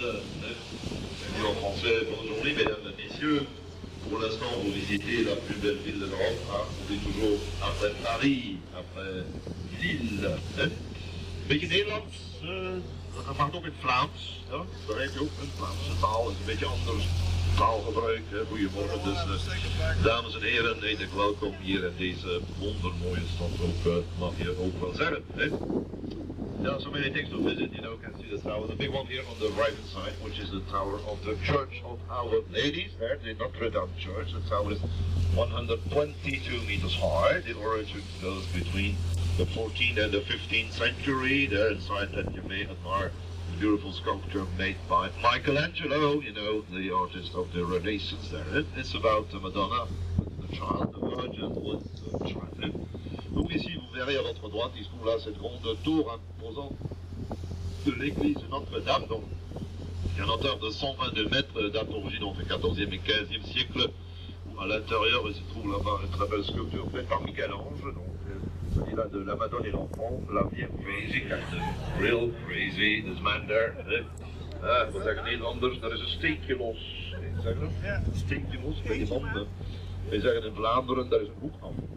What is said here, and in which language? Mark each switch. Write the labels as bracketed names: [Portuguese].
[French] Oui, en français, bonne journée, mesdames et messieurs. Pour l'instant, vous visitez la plus belle ville de l'Europe. Vous êtes toujours après Paris, après Lille. [Dutch] Beetje Nederlands, dat mag ook in het Vlaams. Ja, dat weet je ook. Het Vlaamse taal is een beetje anders. Taalgebruik, hè. Goedemorgen. Dus, dames en heren, heet ik welkom hier in deze wondermooie stad. Ook mag je ook wel zeggen. Hè. [English] There are so many things to visit, you know, can see the tower. The big one here on the right hand side, which is the tower of the Church of Our Ladies, there, the Notre Dame Church. The tower is 122 meters high. The origin goes between the 14th and the 15th century. There inside that you may admire the beautiful sculpture made by Michelangelo, you know, the artist of the Renaissance there. It's about the Madonna, the child, the virgin with the child. [French] Donc ici, vous verrez à votre droite, il se trouve là, cette grande tour imposante de l'église de Notre-Dame, donc il y a une hauteur de 122 mètres, date d'origine, on fait 14e et 15e siècle, où à l'intérieur, il se trouve là-bas une très belle sculpture faite par Michel-Ange, donc il y a de la Madone et l'Enfant, la Vierge. [English] Crazy, real crazy, this man there. [Dutch] We zeggen heel anders, er is een steekje los. Zeg dat? Ja. Een steekje los bij die banden. We zeggen in Vlaanderen, daar is een hoek af.